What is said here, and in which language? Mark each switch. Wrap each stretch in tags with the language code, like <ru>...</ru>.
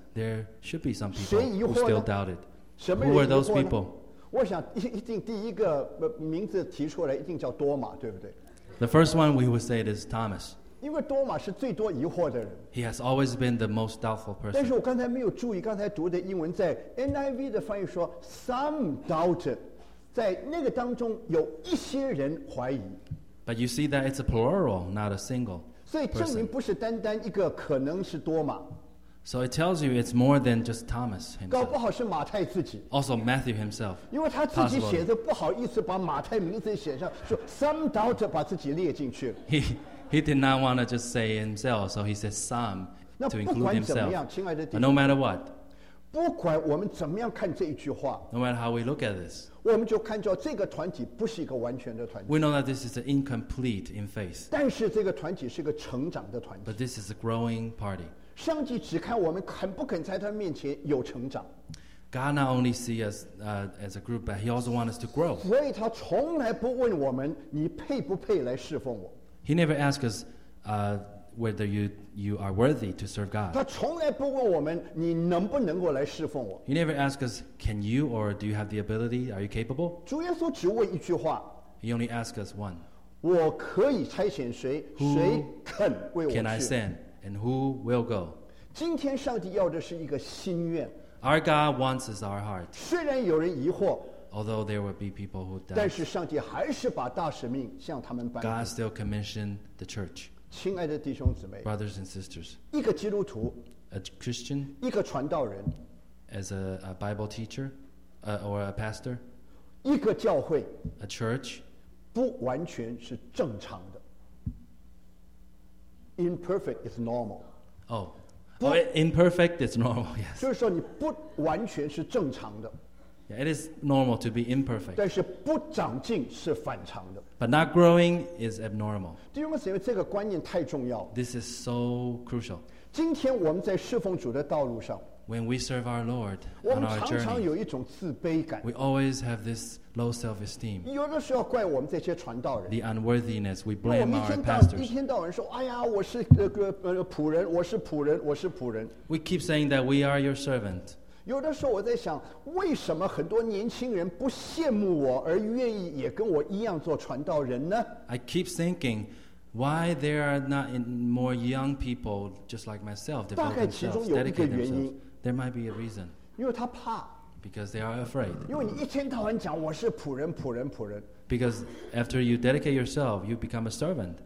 <en>There should be some people who still doubted. Who are those people?</en> <zh>我想一定第一个名字提出来一定叫多马，对不对？</zh> <en>The first one we would say is Thomas.</en> <zh>因为多马是最多疑惑的人。</zh> <en>He has always been the most doubtful person.</en> <zh>但是我刚才没有注意，刚才读的英文在 NIV 的翻译说</zh> <en>some doubted，</en> <zh>在那个当中有一些人怀疑。</zh> <en>But you see that it's a plural, not a single.</en> <zh>所以证明不是单单一个，可能是多马。</zh> <en>So it tells you it's more than just Thomas himself.</en> <zh>搞不好是马太自己。</zh> <en>Also Matthew himself.</en> <zh>因为他自己写的不好意思把马太名字写上，说</zh> <en>some doubt</en> <zh>把自己列进去。</zh> <en>He did not want to just say himself, so he said some to include himself.</en> <zh>那不管怎么样，亲爱的弟兄。</zh> <en>No matter what.</en> <zh>不管我们怎么样看这一句话。</zh> <en>No matter how we look at this.</en> <zh>我们就看到这个团体不是一个完全的团体。</zh> <en>We know that this is an incomplete in faith.</en> <zh>但是这个团体是个成长的团体。</zh> <en>But this is a growing party.</en> <zh>上帝只看我们肯不肯在他面前有成长。</zh> <en>God not only sees us as a group, but He also wants us to grow.</en> <zh>所以他从来不问我们你配不配来侍奉我。</zh> <en>He never asks us whether you are worthy to serve God.</en> <zh>他从来不问我们你能不能够来侍奉我。</zh> <en>He never asks us can you or do you have the ability? Are you capable?</en> <zh>主耶稣只问一句话。</zh> <en>He only asks us one.</en> <zh>我可以差遣谁？谁肯为我去？</zh> <en>Can I send? And who will go?</en> <zh>今天上帝要的是一个心愿。</zh> <en>Our God wants us our heart.</en> <zh>虽然有人疑惑。</zh> <en>Although there will be people who doubt.</en> <zh>但是上帝还是把大使命向他们颁布。</zh> <en>God still commissioned the church.</en> <zh>亲爱的弟兄姊妹。</zh> <en>Brothers and sisters.</en> <zh>一个基督徒。</zh> <en>A Christian.</en> <zh>一个传道人。</zh> <en>As a Bible teacher, or a pastor.</en> <zh>一个教会。</zh> <en>A church.</en> <zh>不完全是正常的。</zh> <en>Imperfect is normal. Imperfect is normal. Yes.</en> <zh>就是说你不完全是正常的。</zh> <en>Yeah, it is normal to be imperfect.</en> <zh>但是不长进是反常的。</zh> <en>But not growing is abnormal.</en> <zh>弟兄们，因为这个观念太重要。</zh> <en>This is so crucial.</en> <zh>今天我们在侍奉主的道路上。</zh> <en>When we serve our Lord on our journey, we always have this low self-esteem. The unworthiness, we blame our pastors.</en> <zh>一天到晚说,哎呀,我是仆人。</zh> <en>We keep saying that we are your servant.</en> <zh>有的时候我在想,为什么很多年轻人不羡慕我,而愿意也跟我一样做传道人呢?</zh> <en>I keep thinking, why there are not more young people just like myself developing themselves, dedicating themselves? There might be a reason. Because they are afraid. Because after you dedicate yourself, you become a servant.</en>